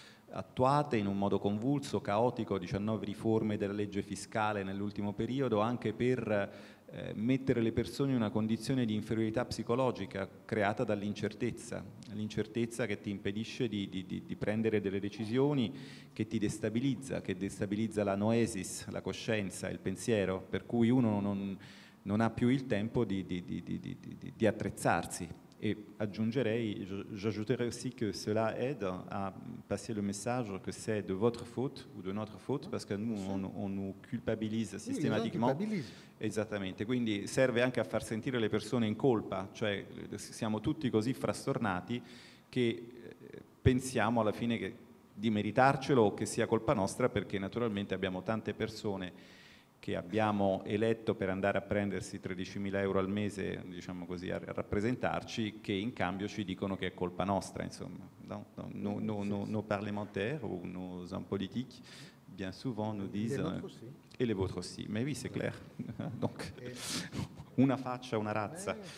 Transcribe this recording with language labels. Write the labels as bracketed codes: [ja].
[it] attuate in un modo convulso, caotico, 19 riforme della legge fiscale nell'ultimo periodo, anche per mettere le persone in una condizione di inferiorità psicologica creata dall'incertezza, l'incertezza che ti impedisce di prendere delle decisioni, che ti destabilizza, che destabilizza la noesis, la coscienza, il pensiero, per cui uno non ha più il tempo di attrezzarsi. [fr] Et [it] aggiungerei, [fr] j'ajouterai aussi que cela aide à passer le message que c'est de votre faute ou de notre faute, parce que nous, on nous culpabilise systématiquement. Oui, culpabilise. [it] Esattamente, quindi serve anche a far sentire le persone in colpa, cioè siamo tutti così frastornati che pensiamo alla fine di meritarcelo o che sia colpa nostra, perché naturalmente abbiamo tante persone che abbiamo eletto per andare a prendersi 13.000 euro al mese, diciamo così, a rappresentarci, che in cambio ci dicono che è colpa nostra, insomma. [fr] Nos parlementaires ou nos hommes politiques, bien souvent, nous disent... [it] E [fr] le vôtre aussi. Mais oui, c'est clair. [it] Donc, una faccia, una razza.